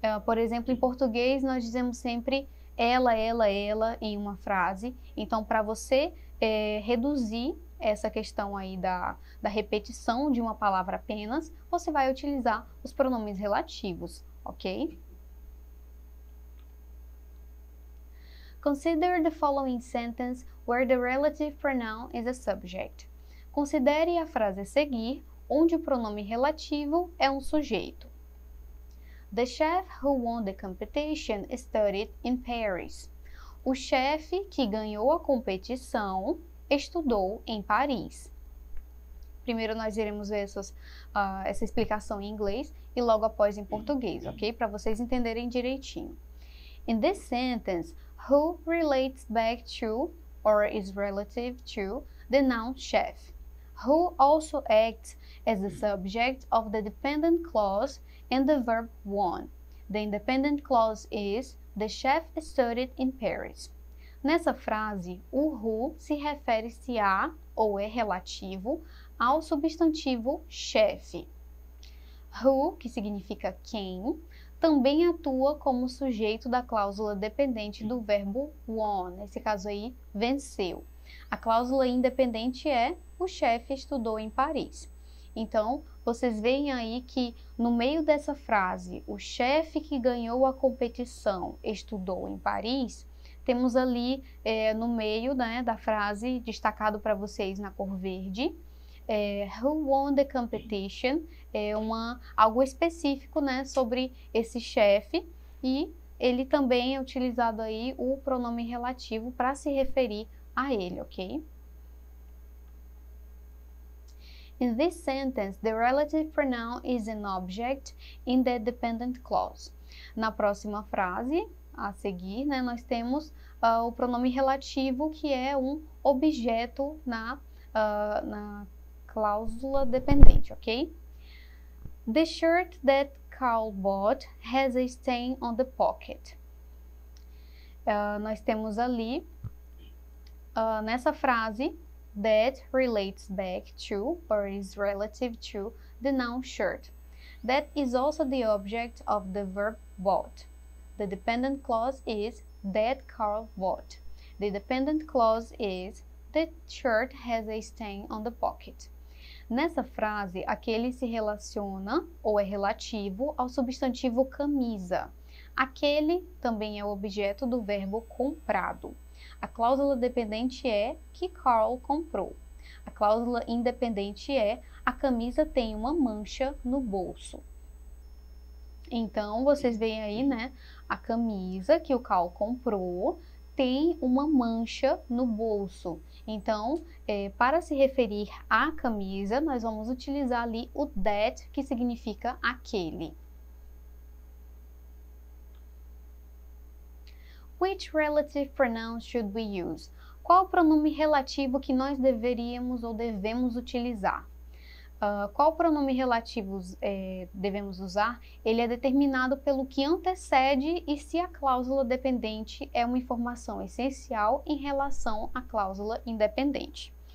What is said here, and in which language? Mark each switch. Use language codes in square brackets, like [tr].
[pt] Por exemplo, em português, nós dizemos sempre ela, ela, ela em uma frase. Então, para você reduzir essa questão aí da repetição de uma palavra apenas, você vai utilizar os pronomes relativos, ok? [en] Consider the following sentence where the relative pronoun is a subject. [pt] Considere a frase a seguir, onde o pronome relativo é um sujeito. [en] The chef who won the competition studied in Paris. [pt] O chefe que ganhou a competição estudou em Paris. Primeiro nós iremos ver essa explicação em inglês e logo após em português, ok? Para vocês entenderem direitinho. [en] In this sentence, who relates back to, or is relative to, the noun chef? Who also acts as the subject of the dependent clause and the verb won? The independent clause is, the chef studied in Paris. [pt] Nessa frase, o who se refere-se a, ou é relativo, ao substantivo chefe. Who, que significa quem, também atua como sujeito da cláusula dependente do verbo won, nesse caso aí, venceu. A cláusula independente é o chefe estudou em Paris. Então, vocês veem aí que no meio dessa frase, o chefe que ganhou a competição estudou em Paris, temos ali no meio, né, da frase, destacado para vocês na cor verde, [en] who won the competition, [pt] algo específico, né, sobre esse chefe, e ele também é utilizado aí o pronome relativo para se referir a ele, ok? [en] In this sentence, the relative pronoun is an object in the dependent clause. [pt] Na próxima frase, a seguir, né, nós temos o pronome relativo que é um objeto na cláusula dependente, ok? [en] The shirt that Carl bought has a stain on the pocket. [pt] Nós temos ali, nessa frase, [en] That relates back to, or is relative to, the noun shirt. That is also the object of the verb bought. The dependent clause is that Carl bought. The dependent clause is the shirt has a stain on the pocket. [pt] Nessa frase, aquele se relaciona ou é relativo ao substantivo camisa. Aquele também é o objeto do verbo comprado. A cláusula dependente é que Carl comprou. A cláusula independente é a camisa tem uma mancha no bolso. Então, vocês veem aí, né? A camisa que o Carl comprou tem uma mancha no bolso. Então, para se referir à camisa, nós vamos utilizar ali o that, que significa aquele. [en] Which relative pronoun should we use? [pt] Qual o pronome relativo que nós deveríamos ou devemos utilizar? Qual pronome relativo devemos usar? Ele é determinado pelo que antecede e se a cláusula dependente é uma informação essencial em relação à cláusula independente.